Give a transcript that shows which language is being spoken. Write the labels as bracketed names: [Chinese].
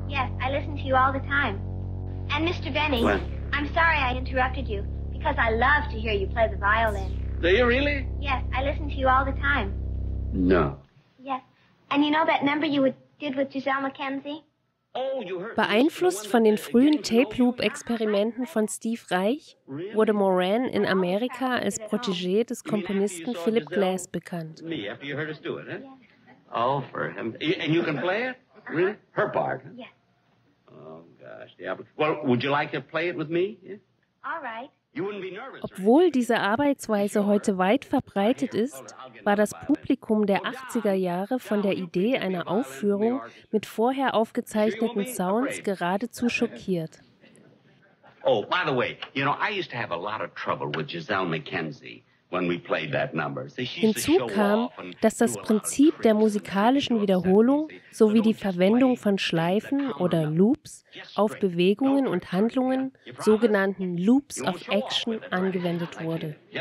[English] Yes, I listen to you all the time. And Mr. Benny, what? I'm sorry I interrupted you. Because I love to hear you play the violin. Do you really? Yes, I listen to you all the time. No. And you know that number you did with Giselle McKenzie? [German] Beeinflusst von den frühen Tape-Loop-Experimenten von Steve Reich, wurde Moran in Amerika als Protégé des Komponisten Philip Glass bekannt. [English] Me, after you heard us do it, eh? Yeah. Oh, for him. And you can play it? Really? Her part? Yeah. Oh, gosh. Yeah. Well, would you like to play it with me? Yeah? All right. [German] Obwohl diese Arbeitsweise heute weit verbreitet ist, war das Publikum der 80er Jahre von der Idee einer Aufführung mit vorher aufgezeichneten Sounds geradezu schockiert. [English] Oh, by the way, you know, I used to have a lot of trouble with Giselle McKenzie. [German] Hinzu kam, dass das Prinzip der musikalischen Wiederholung sowie die Verwendung von Schleifen oder Loops auf Bewegungen und Handlungen, sogenannten Loops of Action, angewendet wurde.